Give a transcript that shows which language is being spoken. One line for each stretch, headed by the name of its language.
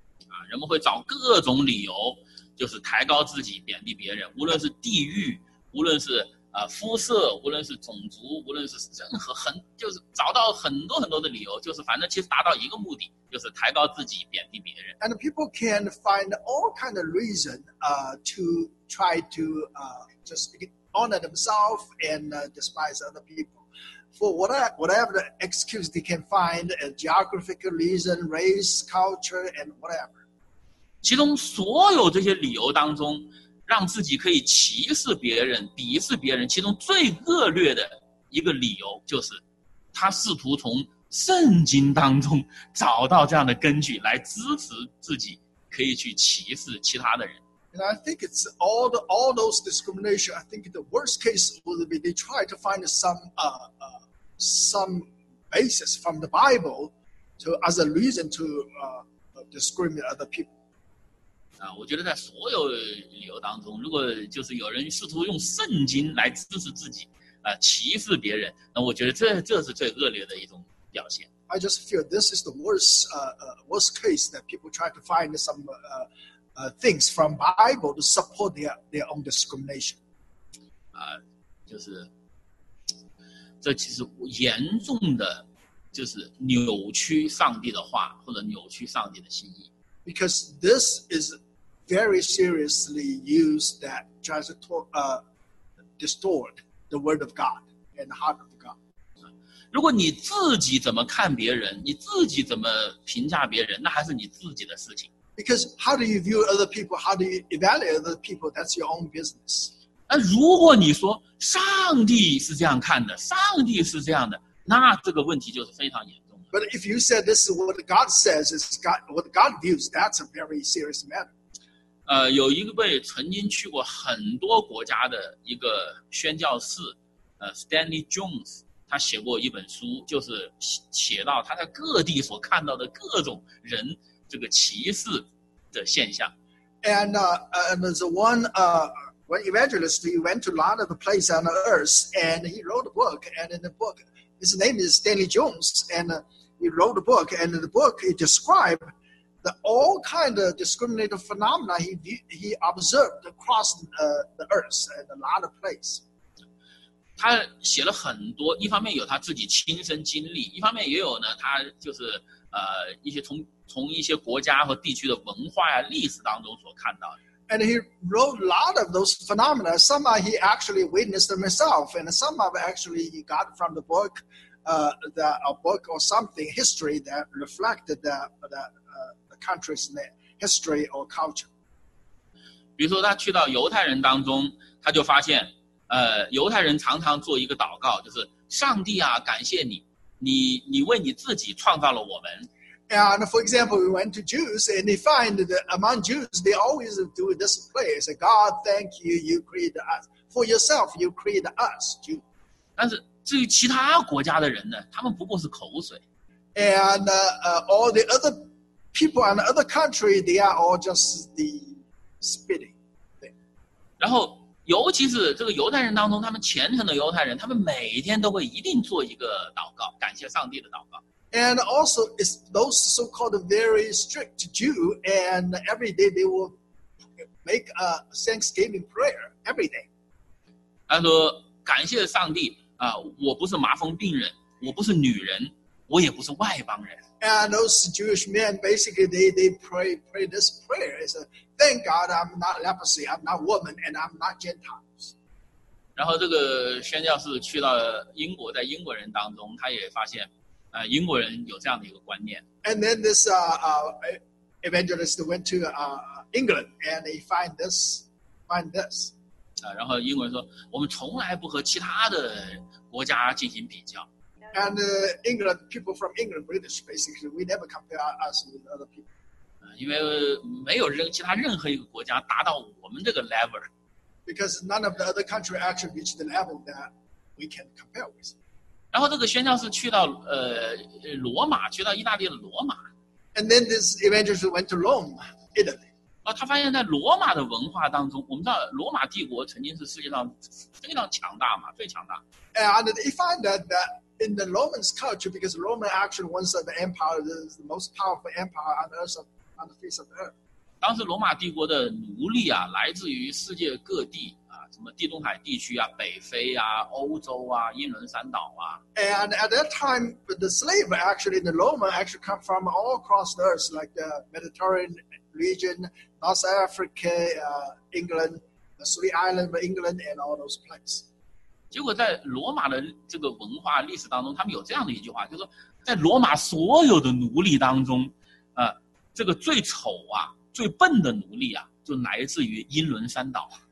Chinese: 啊，人们会找各种理由，就是抬高自己，贬低别人，无论是地域，无论是肤色，无论是种族，无论是任何很，就是找到很多很多的理由，就是反正其实达到一个目的，就是抬高自己，贬低别人。
English: And people can find all kind of reason, to try to, just honor themselves and despise other people. For whatever the excuse they can find, a geographical reason, race, culture, and whatever.
Chinese: 其中所有这些理由当中。让自己可以歧视别人、鄙视别人，其中最恶劣的一个理由就是，他试图从圣经当中找到这样的根据来支持自己可以去歧视其他的人。
English: And I think it's all those discrimination. I think the worst case would be they try to find some basis from the Bible to as a reason to discriminate other people.
Chinese: 啊，我觉得在所有理由当中，如果就是有人试图用圣经来支持自己，啊，歧视别人，那我觉得这是最恶劣的一种表现。
English: I just feel this is the worst case that people try to find some things from Bible to support their own discrimination.
Chinese: 啊，就是这其实严重的就是扭曲上帝的话或者扭曲上帝的心意。
English: Because this is very seriously used that tries to distort the word of God and the heart of God.
Chinese: 如果你自己怎么看别人，你自己怎么评价别人，那还是你自己的事情。
English: Because how do you view other people? How do you evaluate other people? That's your own business.
Chinese: 那如果你说上帝是这样看的，上帝是这样的，那这个问题就是非常严重。
English: But if you said this is what God says, is God what God views, that's a very serious matter.
Chinese: 有一位曾经去过很多国家的一个宣教士，Stanley Jones， 他写过一本书，就是写到他在各地所看到的各种人这个歧视的现象。
English: And there's one evangelist. He went to a lot of the places on the earth, and he wrote a book. And in the book, his name is Stanley Jones, and He wrote a book, and in the book, he described the all kind of discriminatory phenomena he observed across the earth and a lot of places.
Chinese: 他写了很多，一方面有他自己亲身经历，一方面也有呢，他就是一些从一些国家和地区的文化呀、历史当中所看到的。
English: And he wrote a lot of those phenomena. Some he actually witnessed them himself, and some of actually he got from the book. A book or something history that reflected the country's history or culture.
Chinese: 比如说，他去到犹太人当中，他就发现，犹太人常常做一个祷告，就是上帝啊，感谢你，你为你自己创造了我们。
English: And for example, we went to Jews, and they find that among Jews, they always do this prayer: "Say, God, thank you, you created us for yourself. You created us, Jew."
Chinese: 但是至于其他国家的人呢，他们不过是口水。
English: And all the other people in other country, they are all just the spitting.
Chinese: 对。然后，尤其是这个犹太人当中，他们虔诚的犹太人，他们每天都会一定做一个祷告，感谢上帝的祷告。
English: And also, it's those so-called very strict Jew, and every day they will make a Thanksgiving prayer every day.
Chinese: 他说：“感谢上帝。” 啊，我不是麻风病人，我不是女人，我也不是外邦人。
English: And those Jewish men basically they pray this prayer. It's a thank God I'm not leprosy, I'm not woman, and I'm not Gentiles.
Chinese: 然后这个宣教士去到英国，在英国人当中，他也发现，英国人有这样的一个观念。
English: And then this evangelist went to England and he find this.
Chinese: 然后英国人说，我们从来不和其他的国家进行比较。
English: And England people from England, British basically, we never compare us with other people.
Chinese: 因为没有其他任何一个国家达到我们这个 level.
English: Because none of the other countries actually reach the level that we can compare with.
Chinese: 然后这个宣教士去到罗马，去到意大利的罗马。
English: And then this evangelist went to Rome, Italy.
Chinese: 他发现在罗马的文化当中，我们知道罗马帝国曾经是世界上非常强大嘛，最强大。
English: And he found that in the Roman culture, because Roman actually was the empire, the most powerful empire on the earth, on the face of the earth.
Chinese: 当时罗马帝国的奴隶啊，来自于世界各地啊，什么地中海地区啊，北非啊，欧洲啊，英伦三岛啊。
English: And at that time, the slave actually, the Roman actually come from all across the earth, like the Mediterranean. Region, North Africa, England, the Three Islands of England, and all those places.
Chinese: 结果在罗马的这个文化历史当中，他们有这样的一句话，就是说，在罗马所有的奴隶当中，这个最丑啊、最笨的奴隶啊，就来自于英伦三岛。